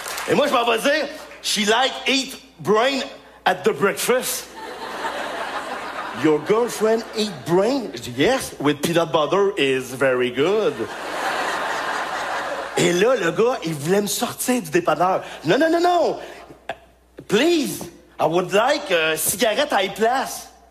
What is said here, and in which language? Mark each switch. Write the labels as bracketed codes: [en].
[fr] Et moi, je m'en vais dire, [en] she like eat brain at the breakfast. Your girlfriend eat brain? [fr] Je dis, [en] yes, with peanut butter is very good. [fr] Et là, le gars, il voulait me sortir du dépanneur. Non, non, non, non! [en] Please, I would like a cigarette [fr] à place.